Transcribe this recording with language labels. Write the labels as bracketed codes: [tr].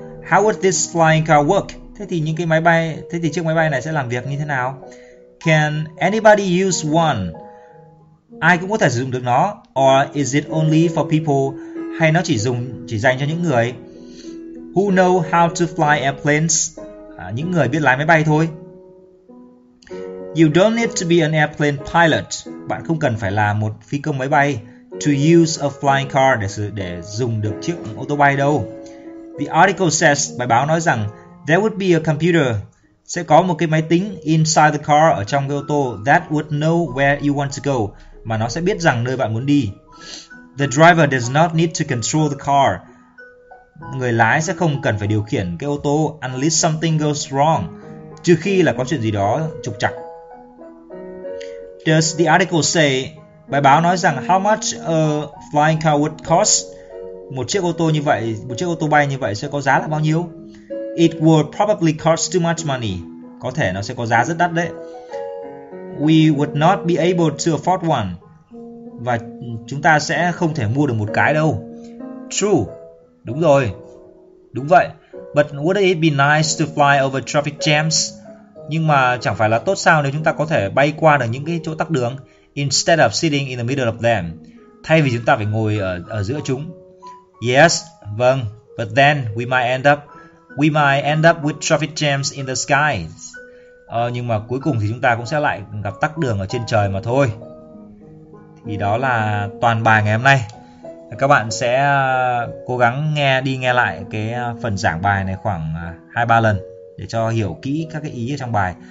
[en] How would this flying car work? [vi] Thế thì chiếc máy bay này sẽ làm việc như thế nào? [en] Can anybody use one? [vi] Ai cũng có thể sử dụng được nó? [en] Or is it only for people? [vi] Hay nó chỉ dành cho những người [en] who know how to fly airplanes, [vi] những người biết lái máy bay thôi. [en] You don't need to be an airplane pilot. [vi] Bạn không cần phải là một phi công máy bay [en] to use a flying car [vi] để dùng được chiếc ô tô bay đâu. [en] The article says, [vi] bài báo nói rằng [en] there would be a computer, [vi] sẽ có một cái máy tính [en] inside the car, [vi] ở trong cái ô tô, [en] that would know where you want to go, [vi] mà nó sẽ biết rằng nơi bạn muốn đi. [en] The driver does not need to control the car. [vi] Người lái sẽ không cần phải điều khiển cái ô tô [en] unless something goes wrong, [vi] trừ khi là có chuyện gì đó trục trặc. [en] Does the article say, [vi] bài báo nói rằng [en] how much a flying car would cost? [vi] Một chiếc ô tô bay như vậy sẽ có giá là bao nhiêu? [en] It would probably cost too much money. [vi] Có thể nó sẽ có giá rất đắt đấy. [en] We would not be able to afford one. [vi] Và chúng ta sẽ không thể mua được một cái đâu. [en] True. [vi] Đúng rồi. Đúng vậy. [en] But would it be nice to fly over traffic jams? [vi] Nhưng mà chẳng phải là tốt sao nếu chúng ta có thể bay qua được những cái chỗ tắc đường, [en] instead of sitting in the middle of them, [vi] thay vì chúng ta phải ngồi ở giữa chúng. [en] Yes, [vi] vâng. [en] But then we might end up with traffic jams in the sky. [vi] Nhưng mà cuối cùng thì chúng ta cũng sẽ lại gặp tắc đường ở trên trời mà thôi. Thì đó là toàn bài ngày hôm nay. Các bạn sẽ cố gắng nghe lại cái phần giảng bài này khoảng 2-3 lần để cho hiểu kỹ các cái ý ở trong bài.